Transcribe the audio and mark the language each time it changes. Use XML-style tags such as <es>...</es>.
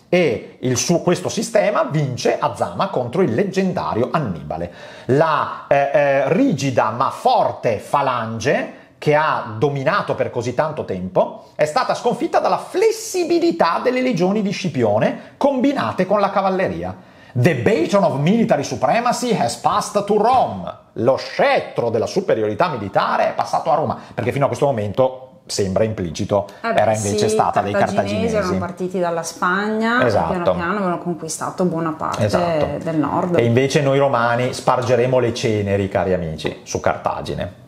<it>E questo sistema vince a Zama contro il leggendario Annibale. La rigida ma forte falange che ha dominato per così tanto tempo è stata sconfitta dalla flessibilità delle legioni di Scipione combinate con la cavalleria.</it> <en>The baton of military supremacy has passed to Rome.</en> <it>Lo scettro della superiorità militare è passato a Roma, perché fino a questo momento sembra implicito, era invece stata dei cartaginesi. Erano partiti dalla Spagna, esatto. Piano piano avevano conquistato buona parte, esatto, del nord. E invece noi romani spargeremo le ceneri, cari amici, su Cartagine.</it>